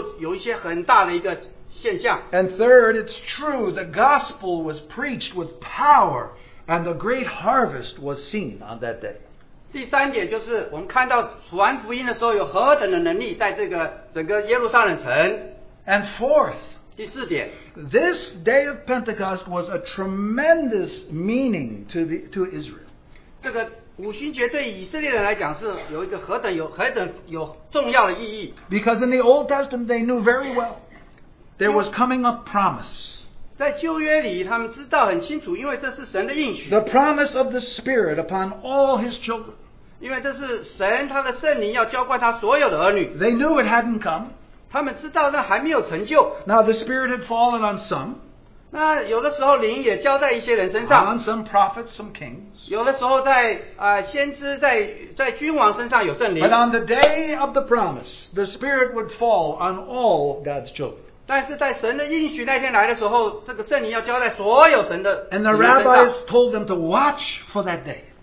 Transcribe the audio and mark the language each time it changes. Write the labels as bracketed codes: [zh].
[zh] 所以在这个借着这样的这个成就，整个耶路撒冷成这个成就有一些很大的一个现象。 [en] And third, it's true, the gospel was preached with power, and the great harvest was seen on that day. [zh] 第三点就是我们看到传福音的时候有何等的能力在这个整个耶路撒冷城。 [en] And fourth, [zh] 第四点, [en] this day of Pentecost was a tremendous meaning to Israel. [zh] 这个五旬节对以色列人来讲是有一个何等重要的意义。 [en] Because in the Old Testament they knew very well there was coming a promise. [zh] 在旧约里他们知道很清楚, [en] the promise of the Spirit upon all His children. [zh] 因为这是神他的圣灵要浇灌他所有的儿女。 [en] They knew it hadn't come. [zh] 他们知道那还没有成就。 [en] Now the Spirit had fallen on some. [zh] 那有的时候灵也浇在一些人身上。 [en] On some prophets, some kings. [zh] 有的时候在先知在君王身上有圣灵。 [en] But on the day of the promise, the Spirit would fall on all God's children. [zh] 但是在神的应许那天来的时候，这个圣灵要浇在所有神的。 [en] And the rabbis told them to watch for that day.